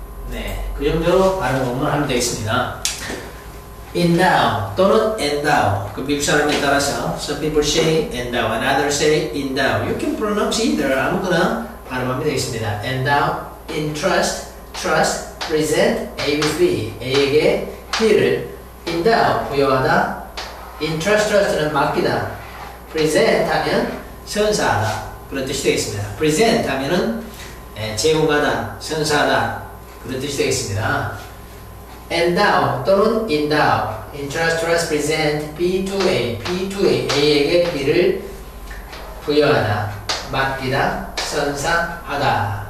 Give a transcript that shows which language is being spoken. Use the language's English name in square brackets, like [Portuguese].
[Korean] 네, 그 정도로 발음 공부를 하면 되겠습니다. [English] Endow 또는 endow. 그 미국 사람에 따라서 some people say endow and others say endow. You can pronounce either 아무거나 발음하면 되겠습니다. Endow, entrust, trust, present A with B. [Korean] A에게 B를 endow 부여하다. Entrust는 맡기다. Present 하면 선사하다 그런 뜻이 되겠습니다. Present 하면은 제공하다, 선사하다 그런 뜻이 되겠습니다. [English] Endow 또는 endow, entrust, trust, present B to A, A에게 B를 부여하다, 맡기다, 선사하다.